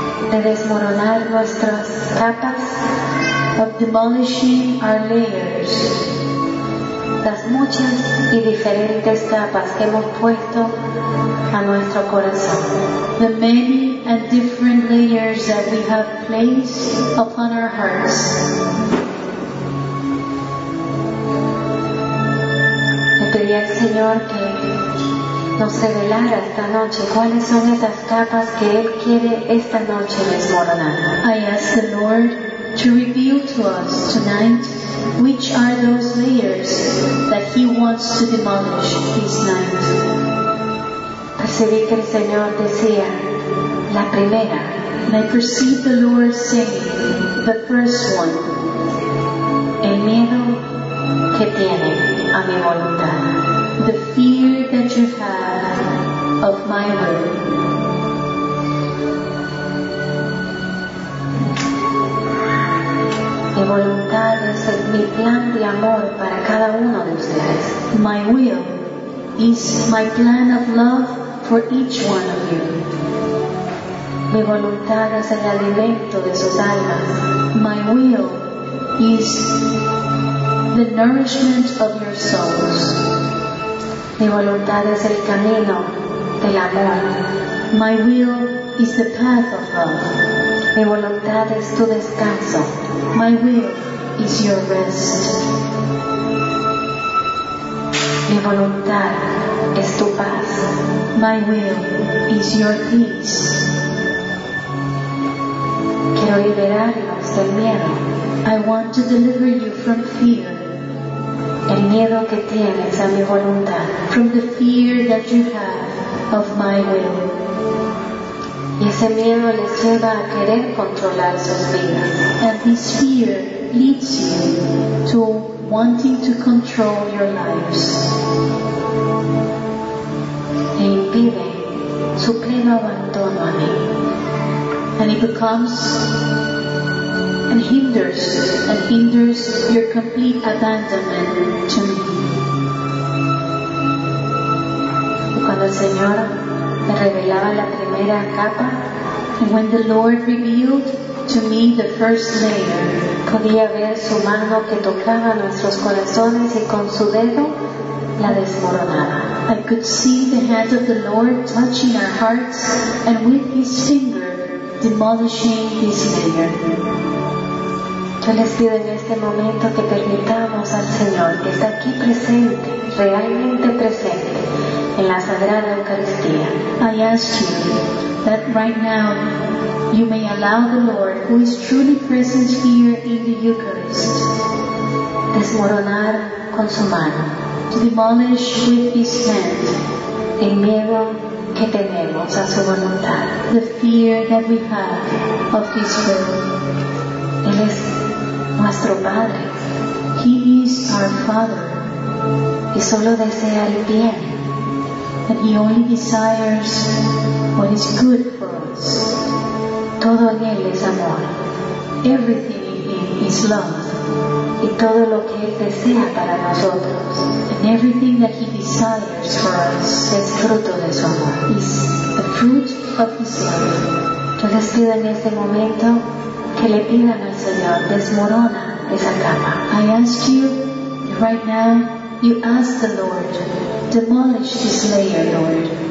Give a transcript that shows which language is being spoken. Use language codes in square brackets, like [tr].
[es] De desmoronar nuestras capas, [en] of demolishing our layers, [es] las muchas y diferentes capas que hemos puesto a nuestro corazón. [en] The many and different layers that we have placed upon our hearts. [es] Le pedí al Señor que nos revelara esta noche cuáles son esas capas que Él quiere esta noche desmoronar. [en] I ask the Lord to reveal to us tonight which are those layers that He wants to demolish this night. [es] Percibí que el Señor decía, la primera. [en] And I perceive the Lord saying, the first one, [es] el miedo que tiene a mi voluntad. [en] The fear that you have of my will. [es] Mi voluntad es mi plan de amor para cada uno de ustedes. [en] My will is my plan of love for each one of you. [es] Mi voluntad es el alimento de sus almas. [en] My will is the nourishment of your souls. [es] Mi voluntad es el camino del amor. [en] My will is the path of love. [es] Mi voluntad es tu descanso. [en] My will is your rest. [es] Mi voluntad es tu paz. [en] My will is your peace. [es] Quiero liberarlos del miedo. [en] I want to deliver you from fear. [es] El miedo que tienes a mi voluntad. [en] From the fear that you have of my will. [es] Y ese miedo les lleva a querer controlar sus vidas. [en] And this fear leads you to wanting to control your lives. [es] E impide su pleno abandono a mí. [en] And it becomes and hinders your complete abandonment to me. [es] Y cuando el Señor me revelaba la primera capa, [en] and when the Lord revealed to me the first layer, [es] podía ver su mano que tocaba nuestros corazones y con su dedo la desmoronaba. [en] I could see the hand of the Lord touching our hearts and with his finger demolishing this layer. [es] Yo les pido en este momento que permitamos al Señor que está aquí presente, realmente presente, en la Sagrada Eucaristía. [en] I ask you that right now you may allow the Lord, who is truly present here in the Eucharist, [es] desmoronar con su mano. [en] To demolish with his hand [es] el miedo que tenemos a su voluntad. [en] The fear that we have of his will. [es] Él es nuestro Padre. [en] He is our Father. [es] Y solo desea el bien. [en] And he only desires what is good for us. [es] Todo en él es amor. [en] Everything in him is love. [es] Y todo lo que él desea para nosotros. [en] And everything that he desires for us [es] es fruto de su amor. [en] Is the fruit of his love. [es] Yo les pido en este momento que le pidan al Señor, desmorona esa cama. [en] I ask you right now, you ask the Lord, demolish this layer, Lord.